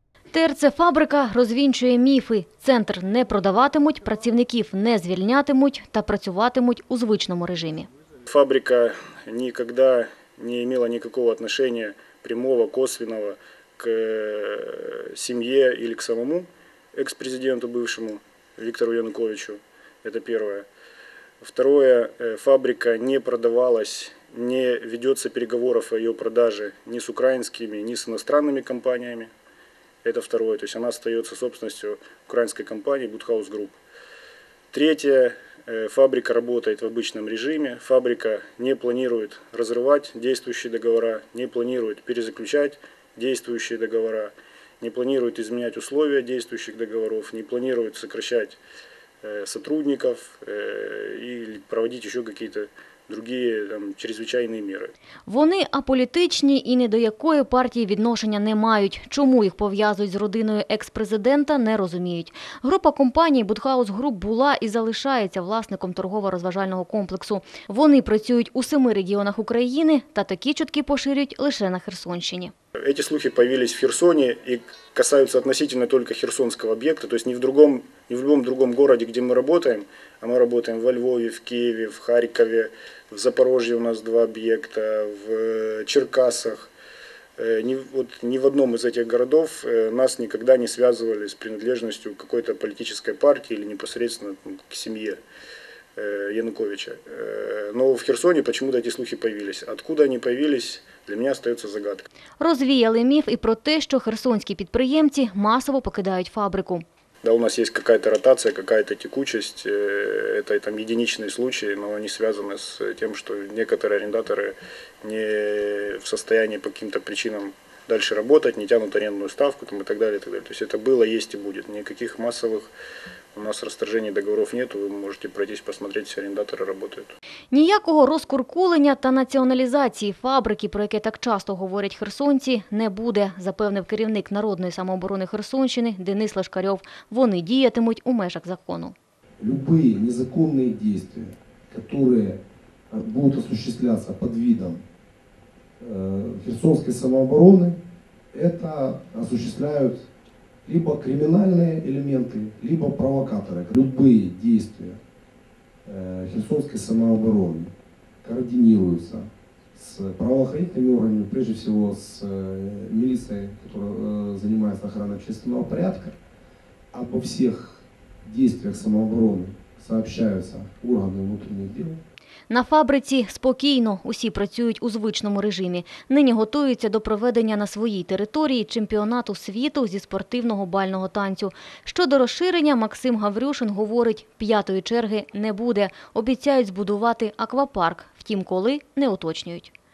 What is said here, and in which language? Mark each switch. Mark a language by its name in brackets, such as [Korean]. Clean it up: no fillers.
[Ukrainian] ТРЦ «Фабрика» розвінчує міфи. Центр не продаватимуть, працівників не звільнятимуть та працюватимуть у звичному режимі. «Фабрика ніколи не мала ніякого відношення прямого, [Russian] косвенного к [Ukrainian] сім'ї [Russian] или к самому екс-президенту бывшему [Ukrainian] Віктору Януковичу. [Russian] Это первое. Второе, фабрика не продавалась, не ведется переговоров о ее продаже ни с украинскими, ни с иностранными компаниями. Это второе. То есть она остается собственностью украинской компании «Будхаус Групп». Третье. Фабрика работает в обычном режиме. Фабрика не планирует разрывать действующие договора, не планирует перезаключать действующие договора, не планирует изменять условия действующих договоров, не планирует сокращать сотрудников или проводить еще какие-то другие там чрезвычайные меры. [Ukrainian] Вони аполітичні і ні до якої партії відношення не мають. Чому їх пов'язують з родиною екс-президента, не розуміють. Група компаній «Будхаус Груп» була і залишається власником торгово-розважального комплексу. Вони працюють у 7 регіонах України та такі чутки поширюють лише на Херсонщині. [Russian] Эти слухи появились в Херсоне и касаются относительно только херсонского объекта, то есть не в любом другом городе, где мы работаем, а мы работаем во Львове, в Киеве, в Харькове, в Запорожье у нас 2 объекта, в Черкасах. Ни в одном из этих городов нас никогда не связывали с принадлежностью к какой-то политической партии или непосредственно к семье Януковича. Но в Херсоне почему-то эти слухи появились. Откуда они появились? [Ukrainian] Для мене залишається загадка. Розвіяли міф і про те, що херсонські підприємці масово покидають фабрику. Да, у нас є якась ротація, якась текучість, це там єдиничні случаї, але вони зв'язані з тим, що деякі орендатори [Russian] не в состоянии по каким-то причинам дальше работать, не тянут арендную ставку там, и так далее, [Ukrainian] и так далее. [Russian] То есть это было, есть и будет. Никаких массовых у нас расторжений договоров нету. Вы можете пройтись, посмотреть, все арендаторы работают. [Ukrainian] Ніякого розкуркулення та націоналізації фабрики, про яке так часто говорять херсонці, не буде, запевнив керівник Народної самооборони Херсонщини Денис Лашкарьов. Вони діятимуть у межах закону. [Russian] Любые незаконные действия, которые будут осуществляться под видом Херсонской самообороны, это осуществляют либо криминальные элементы, либо провокаторы. Любые действия Херсонской самообороны координируются с правоохранительными органами, прежде всего с милицией, которая занимается охраной общественного порядка. Обо всех действиях самообороны сообщаются органы внутренних дел. [Ukrainian] На фабриці спокійно, усі працюють у звичному режимі. Нині готуються до проведення на своїй території чемпіонату світу зі спортивного бального танцю. Щодо розширення, Максим Гаврюшин говорить, п'ятої черги не буде. Обіцяють збудувати аквапарк, втім коли – не уточнюють.